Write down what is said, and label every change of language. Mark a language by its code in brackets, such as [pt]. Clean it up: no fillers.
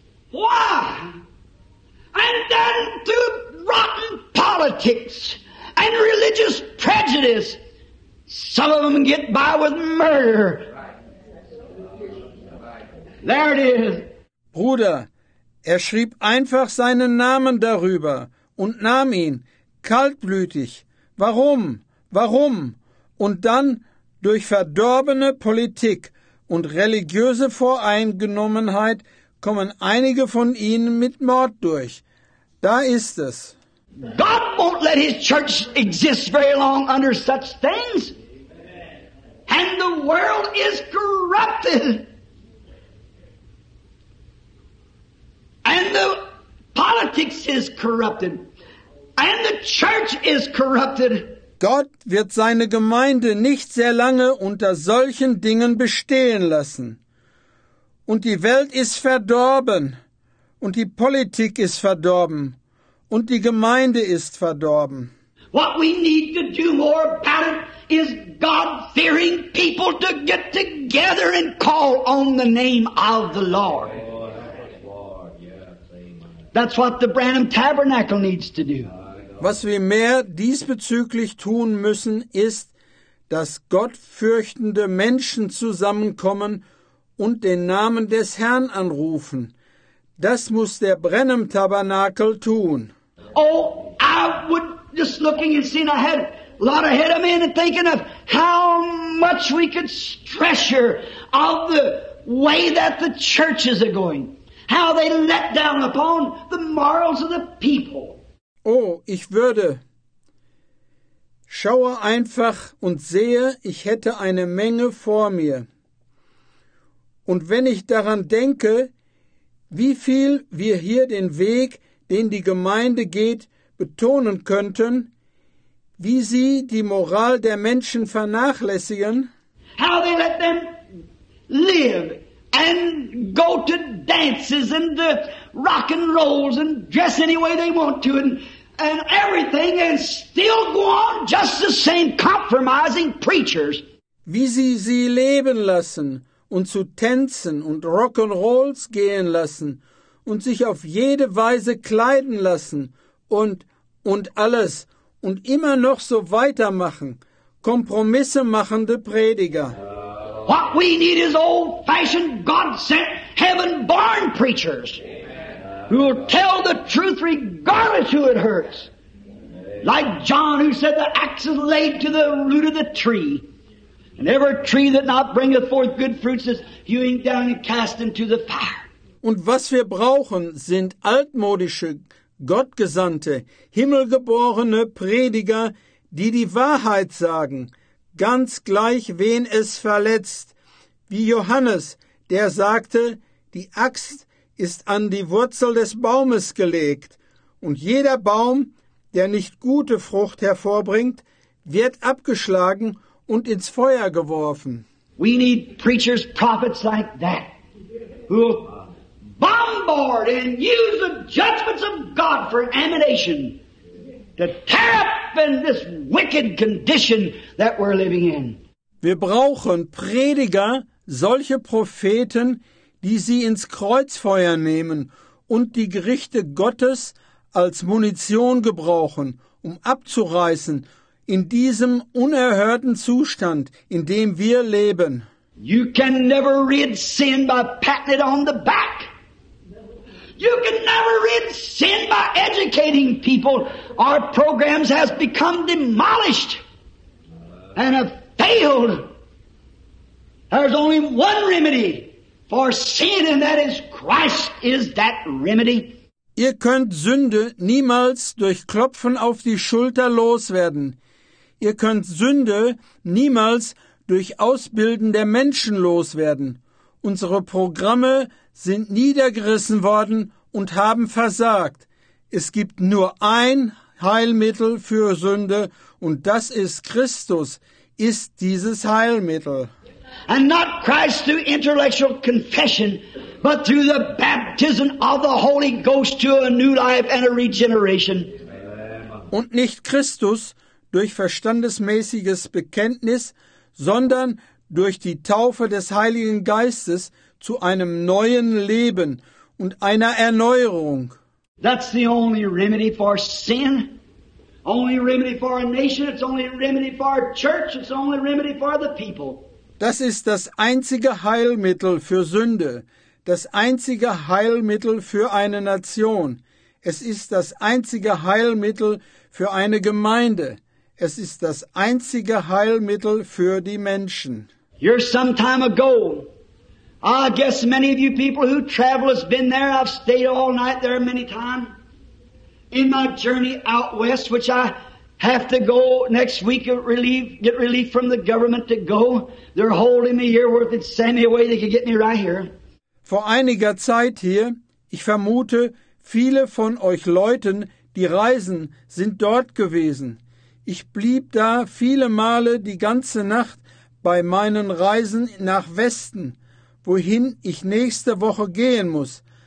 [en] Why? And then through rotten politics and religious prejudice, some of them get by with murder. There it is. [de] Bruder, er schrieb einfach seinen Namen darüber und nahm ihn kaltblütig. Warum? Warum? Und dann durch verdorbene Politik und religiöse Voreingenommenheit kommen einige von ihnen mit Mord durch. Da ist es. [en] God won't let his church exist very long under such things. And the world is corrupted. And the politics is corrupted. And the church is corrupted. [de] Gott wird seine Gemeinde nicht sehr lange unter solchen Dingen bestehen lassen. Und die Welt ist verdorben. Und die Politik ist verdorben. Und die Gemeinde ist verdorben. [en] What we need to do more about it is God-fearing people to get together and call on the name of the Lord. That's what the Branham Tabernacle needs to do. [de] Was wir mehr diesbezüglich tun müssen, ist, dass gottfürchtende Menschen zusammenkommen und den Namen des Herrn anrufen. Das muss der Branham-Tabernakel tun. [en] Oh, I would just looking and seeing I had a lot ahead of me and thinking of how much we could treasure of the way that the churches are going. How they let down upon the morals of the people. [de] Oh, ich würde. Schaue einfach und sehe, ich hätte eine Menge vor mir. Und wenn ich daran denke, wie viel wir hier den Weg, den die Gemeinde geht, betonen könnten, wie sie die Moral der Menschen vernachlässigen. [en] How they let them live. And go to dances and the rock and rolls and dress any way they want to and everything and still go on just the same compromising preachers. [de] Wie sie sie leben lassen und zu Tänzen und Rock and Rolls gehen lassen und sich auf jede Weise kleiden lassen und alles und immer noch so weitermachen, Kompromisse machende Prediger. [en] What we need is old-fashioned, God-sent, heaven-born preachers who will tell the truth regardless who it hurts. Like John who said, the axe is laid to the root of the tree. And every tree that not bringeth forth good fruits is hewing down and cast into the fire. [de] Und was wir brauchen, sind altmodische, gottgesandte, himmelgeborene Prediger, die die Wahrheit sagen, ganz gleich, wen es verletzt. Wie Johannes, der sagte, die Axt ist an die Wurzel des Baumes gelegt, und jeder Baum, der nicht gute Frucht hervorbringt, wird abgeschlagen und ins Feuer geworfen. [en] We need preachers, prophets like that, who will bombard and use the judgments of God for ammunition to tear up in this wicked condition that we're living in. [de] Wir brauchen Prediger, solche Propheten, die sie ins Kreuzfeuer nehmen und die Gerichte Gottes als Munition gebrauchen, um abzureißen in diesem unerhörten Zustand, in dem wir leben. [en] You can never rid sin by patting it on the back. You can never rid sin by educating people. Our programs has become demolished and have failed. There's only one remedy for sin, and that is Christ is that remedy. [de] Ihr könnt Sünde niemals durch Klopfen auf die Schulter loswerden. Ihr könnt Sünde niemals durch Ausbilden der Menschen loswerden. Unsere Programme sind niedergerissen worden und haben versagt. Es gibt nur ein Heilmittel für Sünde, und das ist Christus, ist dieses Heilmittel. [en] And not Christ through intellectual confession, but through the baptism of the Holy Ghost to a new life and a regeneration. [de] Und nicht Christus durch verstandesmäßiges Bekenntnis, sondern durch die Taufe des Heiligen Geistes zu einem neuen Leben und einer Erneuerung. [en] That's the only remedy for sin. Only remedy for a nation. It's only remedy for a church. It's only remedy for the people. [de] Das ist das einzige Heilmittel für Sünde, das einzige Heilmittel für eine Nation. Es ist das einzige Heilmittel für eine Gemeinde. Es ist das einzige Heilmittel für die Menschen. [en] Here's some time ago. I guess many of you people who travel has been there. I've stayed all night there many times. In my journey out west, which I have to go next week to get relief from the government to go. They're holding me here where they'd send me away, they could get me right here. [de] Vor einiger Zeit hier, ich vermute, viele von euch Leuten, die reisen, sind dort gewesen. Ich blieb da viele Male die ganze Nacht bei meinen Reisen nach Westen, wohin ich nächste Woche gehen muss.